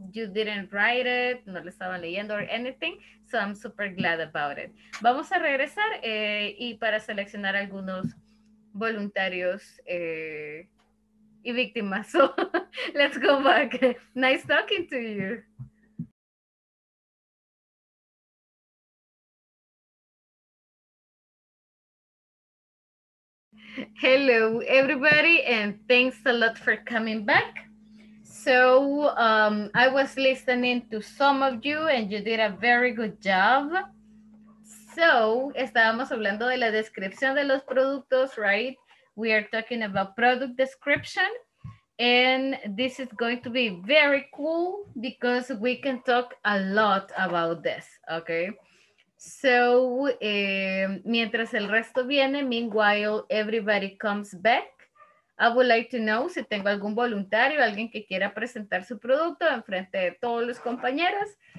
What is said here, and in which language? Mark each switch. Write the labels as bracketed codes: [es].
[en] You didn't write it, no lo estaban leyendo or anything. So I'm super glad about it. [es] Vamos a regresar y para seleccionar algunos voluntarios y víctimas. [en] So let's go back. Nice talking to you. Hello, everybody, and thanks a lot for coming back. So I was listening to some of you, and you did a very good job. [es] So, estábamos hablando de la descripción de los productos, right? [en] We are talking about product description. And this is going to be very cool because we can talk a lot about this, okay? So, [es] mientras el resto viene, [en] meanwhile, everybody comes back. I would like to know [es] si tengo algún voluntario, alguien que quiera presentar su producto en frente de todos los compañeros.